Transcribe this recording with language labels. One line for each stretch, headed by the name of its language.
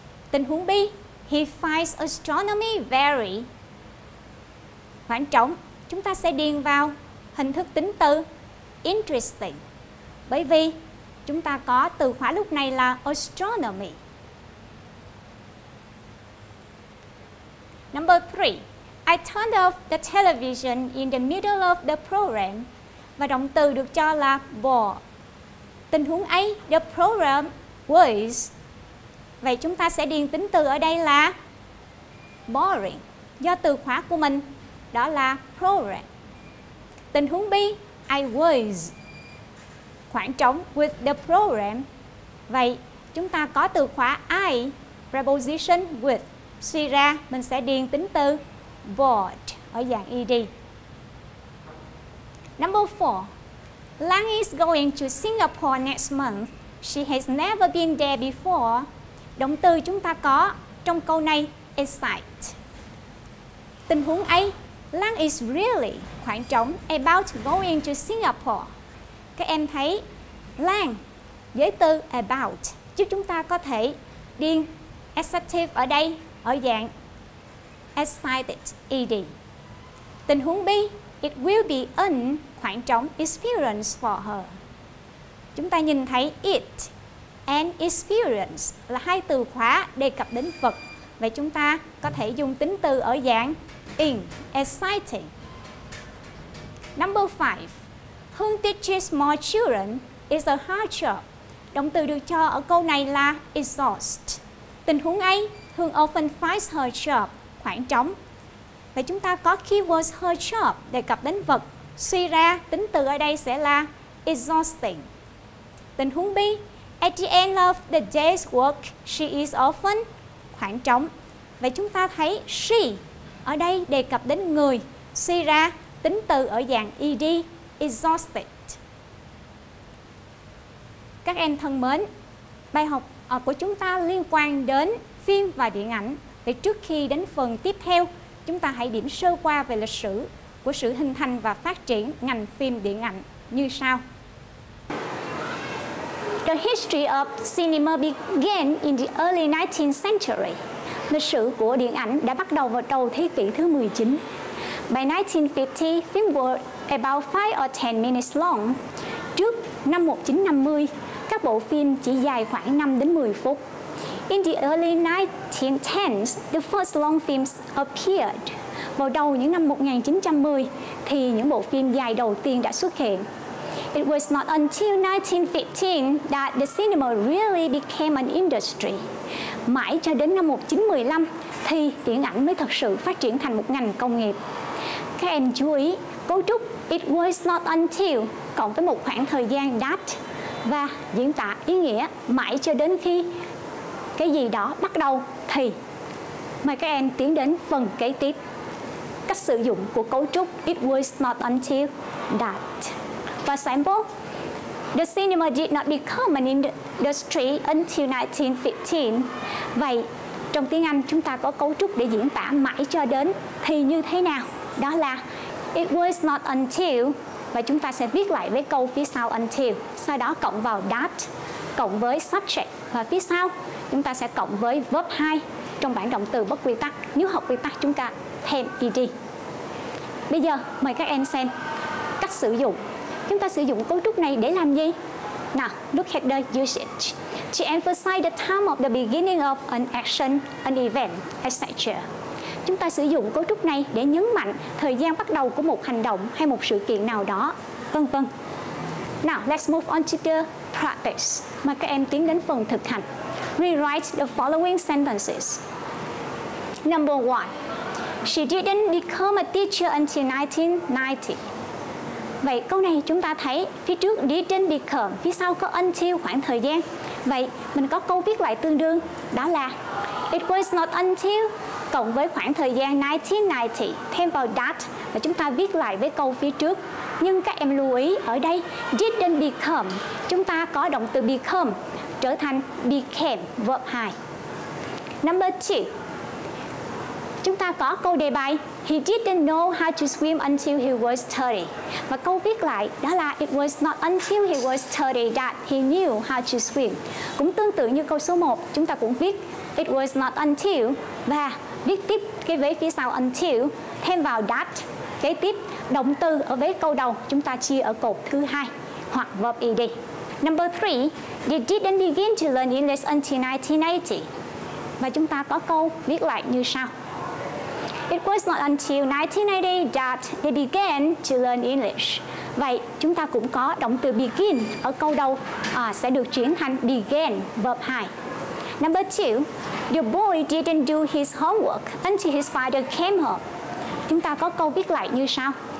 Vietnamese: Tình huống B,
English: he finds astronomy very
Vietnamese: khoảng trống, chúng ta sẽ điền vào hình thức tính từ interesting. Bởi vì chúng ta có từ khóa lúc này là astronomy.
English: Number 3. I turned off the television in the middle of the program.
Vietnamese: Và động từ được cho là bore. Tình huống ấy,
English: the program was.
Vietnamese: Vậy chúng ta sẽ điền tính từ ở đây là boring. Do từ khóa của mình đó là program. Tình huống B,
English: I was
Vietnamese: khoảng trống
English: with the program.
Vietnamese: Vậy chúng ta có từ khóa I, preposition with. Suy ra mình sẽ điền tính từ bored ở dạng ed.
English: Number 4. Lan is going to Singapore next month. She has never been there before.
Vietnamese: Động từ chúng ta có trong câu này excite. Tình huống A,
English: Lan is really
Vietnamese: khoảng trống
English: about going to Singapore.
Vietnamese: Các em thấy Lan giới từ about giúp chúng ta có thể điền excitative ở đây ở dạng excited ed. Tình huống B,
English: it will be an
Vietnamese: khoảng trống
English: experience for her.
Vietnamese: Chúng ta nhìn thấy it and experience là hai từ khóa đề cập đến vật. Vậy chúng ta có thể dùng tính từ ở dạng in, exciting. Number 5.
English: Hương teaches more children is a hard job.
Vietnamese: Động từ được cho ở câu này
English: là exhaust.
Vietnamese: Tình huống ấy,
English: Hương often finds her job
Vietnamese: khoảng trống. Vậy chúng ta có keywords her job đề cập đến vật. Suy ra tính từ ở đây sẽ là exhausting. Tình huống B,
English: at the end of the day's work, she is often
Vietnamese: khoảng trống. Vậy chúng ta thấy she ở đây đề cập đến người. Suy ra tính từ ở dạng ed, exhausted. Các em thân mến, bài học của chúng ta liên quan đến phim và điện ảnh. Vậy trước khi đến phần tiếp theo, chúng ta hãy điểm sơ qua về lịch sử của sự hình thành và phát triển ngành phim điện ảnh như sau.
English: The history of cinema began in the early 19th century.
Vietnamese: Lịch sử của điện ảnh đã bắt đầu vào đầu thế kỷ thứ 19.
English: By 1950, films were about 5 or 10 minutes long.
Vietnamese: Trước năm 1950, các bộ phim chỉ dài khoảng 5 đến 10 phút.
English: In the early 1910s, the first long films appeared.
Vietnamese: Vào đầu những năm 1910, thì những bộ phim dài đầu tiên đã xuất hiện.
English: It was not until 1915 that the cinema really became an industry.
Vietnamese: Mãi cho đến năm 1915 thì điện ảnh mới thực sự phát triển thành một ngành công nghiệp. Các em chú ý, cấu trúc
English: it was not until
Vietnamese: cộng với một khoảng thời gian that và diễn tả ý nghĩa mãi cho đến khi cái gì đó bắt đầu thì. Mời các em tiến đến phần kế tiếp. Cách sử dụng của cấu trúc
English: it was not until that. For example, the cinema did not become an industry until 1915.
Vietnamese: Vậy, trong tiếng Anh chúng ta có cấu trúc để diễn tả mãi cho đến thì như thế nào? Đó là
English: it was not until,
Vietnamese: và chúng ta sẽ viết lại với câu phía sau until, sau đó cộng vào that, cộng với subject, và phía sau chúng ta sẽ cộng với verb 2 trong bảng động từ bất quy tắc, nếu học quy tắc chúng ta thêm ed. Bây giờ mời các em xem cách sử dụng. Chúng ta sử dụng cấu trúc này để làm gì?
English: Now, look at the usage. To emphasize the time of the beginning of an action, an event, etc.
Vietnamese: Chúng ta sử dụng cấu trúc này để nhấn mạnh thời gian bắt đầu của một hành động hay một sự kiện nào đó, vân vân.
English: Now, let's move on to the practice.
Vietnamese: Mời các em tiến đến phần thực hành.
English: Rewrite the following sentences. Number one, she didn't become a teacher until 1990.
Vietnamese: Vậy câu này chúng ta thấy phía trước didn't become, phía sau có until, khoảng thời gian. Vậy mình có câu viết lại tương đương, đó là
English: it was not until
Vietnamese: cộng với khoảng thời gian 1990, thêm vào that và chúng ta viết lại với câu phía trước. Nhưng các em lưu ý ở đây didn't become, chúng ta có động từ become trở thành became, verb 2.
English: Number 2,
Vietnamese: chúng ta có câu đề bài
English: he didn't know how to swim until he was 30.
Vietnamese: Và câu viết lại đó là
English: it was not until he was 30 that he knew how to swim.
Vietnamese: Cũng tương tự như câu số 1, chúng ta cũng viết
English: it was not until
Vietnamese: và viết tiếp cái vế phía sau until, thêm vào that, kế tiếp động từ ở vế câu đầu chúng ta chia ở cột thứ hai hoặc verb ed.
English: Number 3, they didn't begin to learn English until 1980.
Vietnamese: Và chúng ta có câu viết lại như sau.
English: It was not until 1980 that they began to learn English.
Vietnamese: Vậy chúng ta cũng có động từ begin ở câu đầu sẽ được chuyển thành began, verb 2.
English: Number 2, the boy didn't do his homework until his father came home.
Vietnamese: Chúng ta có câu viết lại như sau.